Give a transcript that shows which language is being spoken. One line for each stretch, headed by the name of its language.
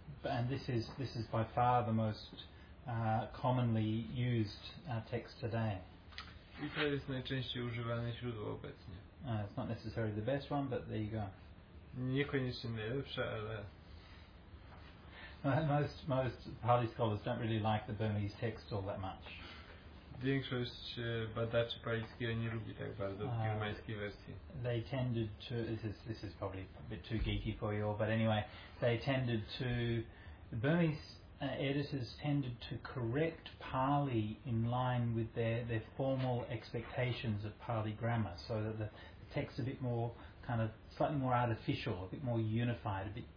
English: And this is by far the most commonly used text today.
Polish: I to jest najczęściej używane źródło obecnie.
English: It's not necessarily the best one, but there you go.
Polish: Niekoniecznie najlepsze, ale
English: most Pali scholars don't really like the Burmese text all that much.
Polish: Większość badaczy palijskiego nie lubi tak bardzo birmańskiej wersji.
English: They tended to, this is probably a bit too geeky for you all, but anyway, the Burmese editors tended to correct Pali in line with their formal expectations of Pali grammar, so that the text is a bit more, kind of, slightly more artificial, a bit more unified, a bit